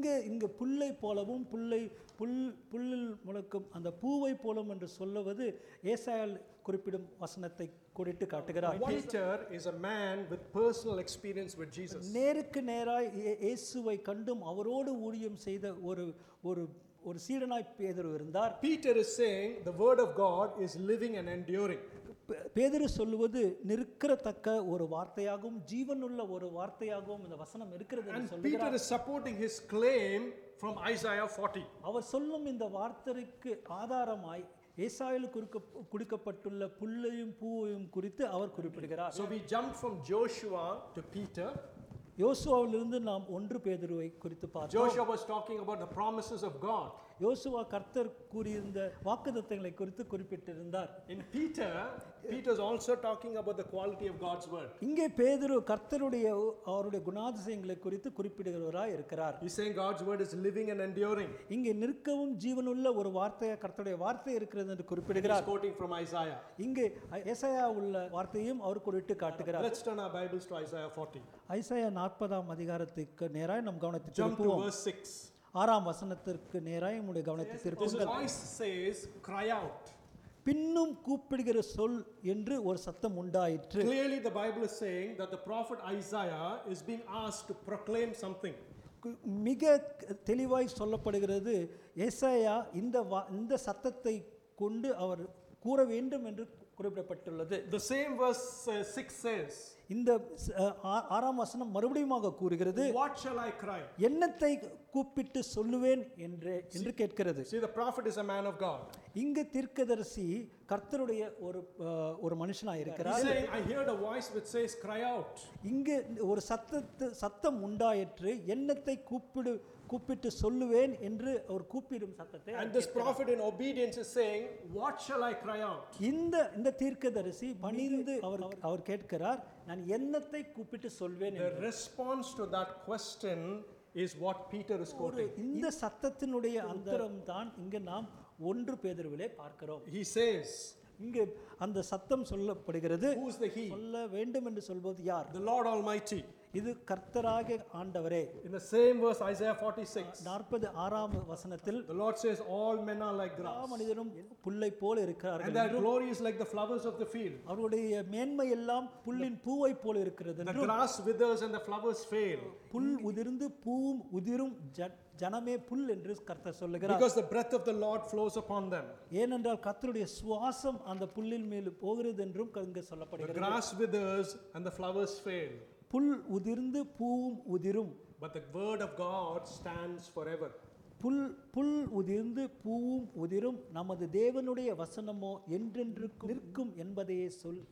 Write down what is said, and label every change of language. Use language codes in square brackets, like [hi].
[ta] இங்கு புல்லை போலவும் புல்லில் முளைக்கும் அந்த பூவை போலவும் என்று சொல்லுவது ஏசாயால் குறிப்பிடும் வசனத்தை கூடிட்டு காட்டுகிறார். [en] Peter is a man with personal experience with Jesus. [ta] நேருக்கு நேராய் இயேசுவை கண்டும் அவரோடு ஊழியம் செய்த ஒரு ஒரு ஒரு சீடனாய் பேதுரு இருந்தார். [en] Peter is saying the word of God is living and enduring. [ta] பேதுரு சொல்லுவது நிற்கத்தக்க ஒரு வார்த்தையாகவும் ஜீவனுள்ள ஒரு வார்த்தையாகவும் இந்த வசனம் இருக்கிறது என்று சொல்கிறார். [en] Peter is supporting his claim from Isaiah 40. [ta] அவர் சொல்லும் இந்த வார்த்தைக்கு ஆதாரமாய் ஏசாயில் கொடுக்கப்பட்டுள்ள புல்லையும் பூவையும் குறித்து அவர் குறிப்பிடுகிறார். [en] So we jump from Joshua to Peter. [ta] யோசுவாவிலிருந்து நாம் ஒன்று பேதுருவை குறித்து பார்த்தோம். [en] Joshua was talking about the promises of God. [ta] யோசுவா கர்த்தர் கூறியிருந்த வாக்குத்தத்தங்களை குறித்து குறிப்பிட்டிருந்தார். [en] In Peter, Peter is also talking about the quality of God's word. [ta] இங்கே பேதுரு கர்த்தருடைய அவருடைய குணாதிசயங்களை குறித்து குறிப்பிடுகிறவராய் இருக்கிறார். [en] He's saying God's word is living and enduring. [ta] இங்கே நிற்கவும் ஜீவனுள்ள ஒரு வார்த்தையாக கர்த்தருடைய வார்த்தை இருக்கிறது என்று குறிப்பிடுகிறார். [en] He's quoting from Isaiah. [ta] இங்கே ஏசாயா உள்ள வார்த்தையும் அவர் குறிப்பிட்டு காட்டுகிறார். [en] Let's turn our Bibles to Isaiah 40. [ta] Isaiah 40 அதிகாரத்துக்கு நேராய் நம் கவனத்தை திருப்புவோம். [en] Jump to verse 6. [ta] ஆறாம் வசனத்திற்கு நேராய் உங்களுடைய கவனத்தை திருப்புங்கள். [en] This voice says, cry out. [ta] பின்னும் கூப்பிடுகிற சொல் என்று ஒரு சத்தம் உண்டாயிற்று. [en] Clearly the Bible is saying that the prophet Isaiah is being asked to proclaim something. [ta] மிக தெளிவாய் சொல்லப்படுகிறது ஏசாயா இந்த சத்தத்தை கொண்டு அவர் கூற வேண்டும் என்று குறிப்பிடப்பட்டுள்ளது. [en] The same verse 6 says, [ta] இந்த ஆறாம் வசனம் மறுபடியும் கூறுகிறது, [en] What shall I cry? [ta] என்னத்தை கூப்பிட்டு சொல்லுவேன் என்று கேட்கிறது. [en] See, the prophet is a man of God. [ta] இங்கு தீர்க்கதரிசி கர்த்தருடைய ஒரு மனுஷனாய் இருக்கிறார். [en] He said, I heard a voice which says, cry out. [ta] இங்கு ஒரு சத்தம் உண்டாயிற்று, என்னத்தை கூப்பிட்டு சொல்லுவேன் என்று அவர் கூப்பிடும் சத்தத்தை. [en] And this prophet in obedience is saying, what shall I cry out? [ta] இந்த தீர்க்கதரிசி பணிந்து அவர் கேட்கிறார், நான் என்னத்தை கூப்பிட்டு சொல்வேன். [en] The response to that question is what Peter is quoting. [ta] இந்த சத்தத்தினுடைய அந்தரம் தான் இங்கு நாம் ஒன்று பேதுருவிலே பார்க்கிறோம். [en] He says, [ta] இங்கு அந்த சத்தம் சொல்லப்படுகிறது. [en] Who is the he? [ta] சொல்ல வேண்டும் என்று சொல்வது யார்? [en] The Lord Almighty. [ta] இது கர்த்தராக ஆண்டவரே. [en] In the same verse Isaiah 46. [ta] 46 வசனத்தில் [en] The Lord says all men are like grass. [ta] எல்லா மனிதரும் புல்லை போல இருக்கிறார்கள். [en] And their glory is like the flowers of the field. [ta] அவருடைய மேன்மை எல்லாம் புல்லின் பூவை போல இருக்கிறது. [en] The grass withers and the flowers fail. [ta] புல் உதிர்ந்து பூவும் உதிரும் ஜனமே புல் என்று கர்த்தர் சொல்லுகிறார். [en] Because the breath of the Lord flows upon them. [ta] ஏனென்றால் கர்த்தருடைய சுவாசம் அந்த புல்லின் மேல் போகிறது என்றும் அங்கே சொல்லப்படுகிறது. [en] The grass withers and the flowers fail. [ta] புல் உதிர்ந்து பூவும் உதிரும். [en] But the word of God stands forever. [ta] புல் உதிர்ந்து பூவும் உதிரும் நமது தேவனுடைய வசனமோ என்றென்றும் நிற்கும் என்பதையே சொல்.